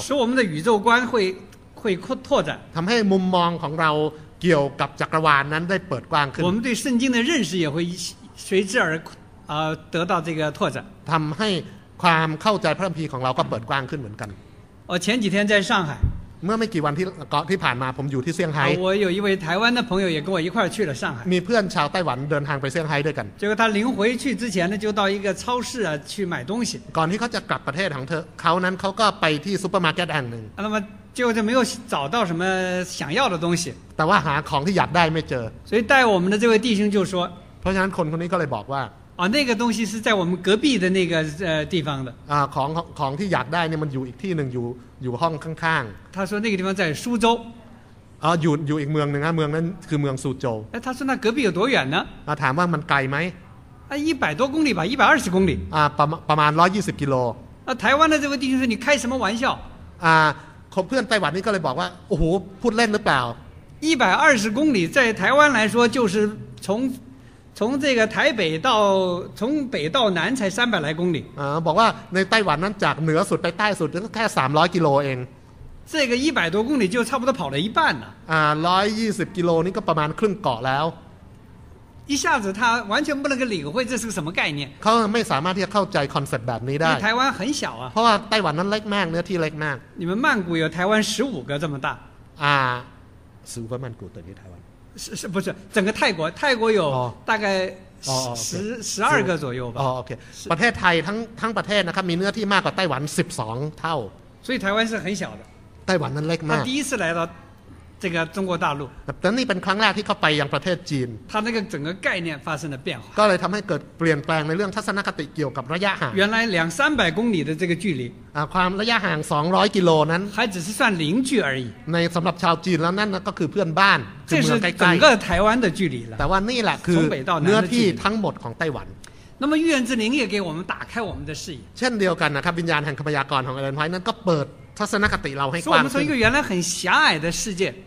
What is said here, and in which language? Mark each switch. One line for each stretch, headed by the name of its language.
Chinese: 使我们的宇宙观会拓展
Thai: ทำให้มุมมองของเราเกี่ยวกับจักรวาลนั้นได้เปิดกว้างขึ้น
Chinese: 我们对圣经的认识也会随之而得到这个拓展
Thai: ทำให้ความเข้าใจพระคัมภีร์ของเราก็เปิดกว้างขึ้นเหมือนกัน
Chinese: 我前几天在上海
Thai: เมื่อไม่กี่วันที่ผ่านมาผมอยู่ที่เซี่ยงไฮ้
Chinese: 我有一位台湾的朋友也跟我一块去了上海
Thai: มีเพื่อนชาวไต้หวันเดินทางไปเซี่ยงไฮ้ด้วยกัน
Chinese: 结果他临回去之前呢就到一个超市啊去买东西
Thai: ก่อนที่เขาจะกลับประเทศของเธอเขานั้นเขาก็ไปที่ซูเปอร์มาร์เก็ตแห่งหนึ่ง
Chinese: 那么结果就没有找到什么想要的东西
Thai: แต่ว่าหาของที่อยากได้ไม่เจอ
Chinese: 所以带我们的这位弟兄就说
Thai: เพราะฉะนั้นคนนี้ก็เลยบอกว่า
Chinese: 那个东西是在我们隔壁的那个地方的
Thai: ของที่อยากได้เนี่ยมันอยู่อีกที่นึงอยู่ห้องข้าง
Chinese: ๆ他说那个地方在苏州
Thai: อยู่อีกเมืองนึงฮะเมืองนั้นคือเมืองซูโจว
Chinese: 他说那隔壁有多远呢
Thai: ถามว่ามันไกลไหม
Chinese: 100多公里吧120公里
Thai: ประมาณ120กิโล
Chinese: 台湾的这位弟兄说你开什么玩笑
Thai: เพื่อนไต้หวันนี่ก็เลยบอกว่าโอ้โหพูดเล่นหรือเปล่า
Chinese: 120公里在台湾来说就是从这个台北到从北到南才300来公里
Thai: บอกว่าในไต้หวันนั้นจากเหนือสุดไปใต้สุดก็แค่300กิโลเอง
Chinese: 这个100多公里就差不多跑了一半了
Thai: 120กิโลนี่ก็ประมาณครึ่งเกาะแล้ว
Chinese: 一下子他完全不能够领会这是什么概念
Thai: เขาไม่สามารถที่จะเข้าใจคอนเซ็ปต์แบบนี้ได้
Chinese: 台湾很小啊
Thai: เพราะว่าไต้หวันนั้นเล็กมากเนื้อที่เล็กมาก
Chinese: 你们曼谷有台湾15个这么大 15曼谷等于台湾是不是整个泰国有大概12个左右吧
Thai: โอเคประเทศไทยทั้งประเทศนะครับมีเนื้อที่มากกว่าไต้หวัน12เท่า
Chinese: 所以台湾是很小的
Thai: ไต้หวันนั้นเล็กมาก
Chinese: 他第一次来到这个中国大陆
Thai: แต่นี่เป็นครั้งแรกที่เขาไปยังประเทศจีน
Chinese: 他那个整个概念发生了变化
Thai: ก็เลยทำให้เกิดเปลี่ยนแปลงในเรื่องทัศนคติเกี่ยวกับระยะห่าง
Chinese: 原来两三百公里的这个距离
Thai: ความระยะห่าง200กิโลนั้น
Chinese: 还只是算邻居而已
Thai: ในสำหรับชาวจีนแล้วนั่นก็คือเพื่อนบ้าน คือเมืองใกล้ๆ
Chinese: 这是整个台湾的距离了
Thai: แต่ว่านี่แหละคือเนื้อที่ทั้งหมดของไต้หวัน
Chinese: 那么预言之灵也给我们打开我们的视野
Thai: เช่นเดียวกันนะครับวิญญาณแห่งคำพยากรณ์ของอเลนไฮนั้นก็เปิดทัศนคติเราให้กว้างขึ้น เราเป็นคน
Chinese: 原来很狭隘的世界